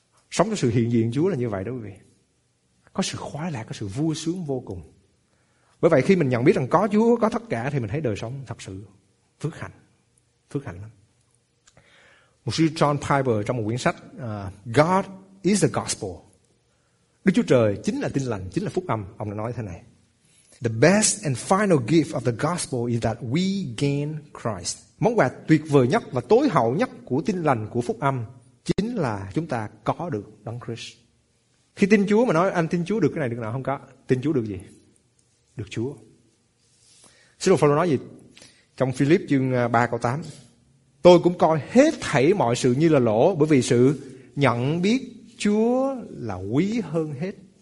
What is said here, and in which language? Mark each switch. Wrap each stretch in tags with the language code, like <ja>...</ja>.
<vi>Sống trong sự hiện diện Chúa là như vậy đó quý vị. Có sự khoái lạc, có sự vui sướng vô cùng. Bởi vậy khi mình nhận biết rằng có Chúa, có tất cả, thì mình thấy đời sống thật sự phước hạnh. Phước hạnh lắm. Một sư John Piper trong một quyển sách God is the Gospel. Đức Chúa Trời chính là tin lành, chính là phúc âm. Ông đã nói thế này.</vi> <en>The best and final gift of the Gospel is that we gain Christ.</en> <vi>Món quà tuyệt vời nhất và tối hậu nhất của tin lành, của phúc âm chính là chúng ta có được Đấng Christ. Khi tin Chúa mà nói anh tin Chúa được cái này được nào, không có. Tin Chúa được gì? Được Chúa. Sư đồ Phaolô nói gì? Trong Philip chương 3 câu 8. Tôi cũng coi hết thảy mọi sự như là lỗ bởi vì sự nhận biết Chúa là quý hơn hết.</vi>